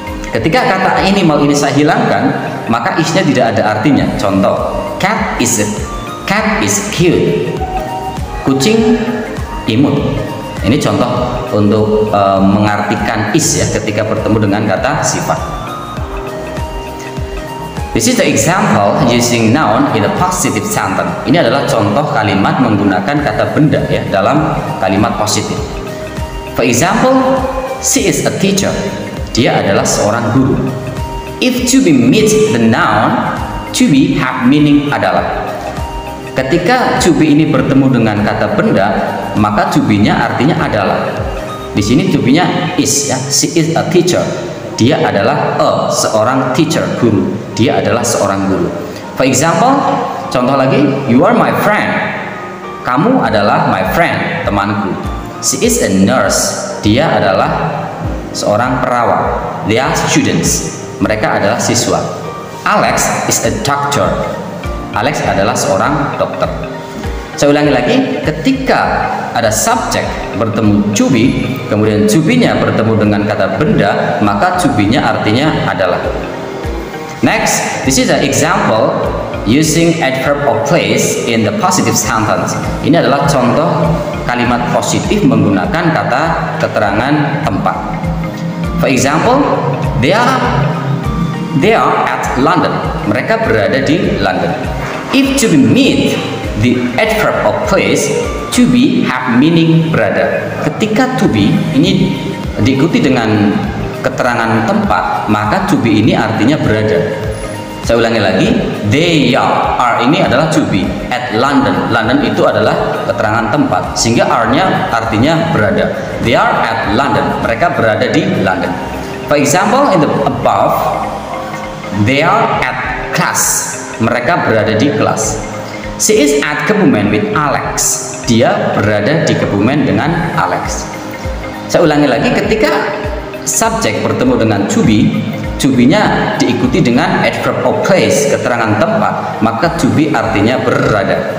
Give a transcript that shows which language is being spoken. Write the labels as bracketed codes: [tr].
[id] Ketika kata animal ini saya hilangkan, maka is-nya tidak ada artinya. [en] Contoh, cat is cute. [id] Kucing imut. Ini contoh untuk mengartikan is ya ketika bertemu dengan kata sifat. [en] This is the example using noun in a positive sentence. [id] Ini adalah contoh kalimat menggunakan kata benda ya dalam kalimat positif. [en] For example, she is a teacher. [id] Dia adalah seorang guru. [en] If to be meets the noun, to be have meaning adalah. [id] Ketika to be ini bertemu dengan kata benda, maka to be-nya artinya adalah. Di sini to be-nya is ya. [en] She is a teacher. [id] Dia adalah a seorang teacher, guru. Dia adalah seorang guru. [en] For example, [id] contoh lagi, [en] you are my friend. [id] Kamu adalah my friend, temanku. [en] She is a nurse. [id] Dia adalah seorang perawat. [en] They are students. [id] Mereka adalah siswa. [en] Alex is a doctor. [id] Alex adalah seorang dokter. Saya ulangi lagi, ketika ada subjek bertemu to be, kemudian to be-nya bertemu dengan kata benda, maka to be-nya artinya adalah. [en] Next, this is an example using adverb of place in the positive sentence. [id] Ini adalah contoh kalimat positif menggunakan kata keterangan tempat. [en] For example, they are at London. [id] Mereka berada di London. [en] If to be meet the adverb of place, to be have meaning berada. [id] Ketika to be ini diikuti dengan keterangan tempat, maka to be ini artinya berada. Saya ulangi lagi, they are ini adalah to be at London. London itu adalah keterangan tempat, sehingga are-nya artinya berada. [en] They are at London. [id] Mereka berada di London. [en] For example, in the above, they are at class. [id] Mereka berada di kelas. [en] She is at Kebumen with Alex. [id] Dia berada di Kebumen dengan Alex. Saya ulangi lagi, ketika subjek bertemu dengan to be, to be-nya diikuti dengan adverb of place, keterangan tempat, maka to be artinya berada.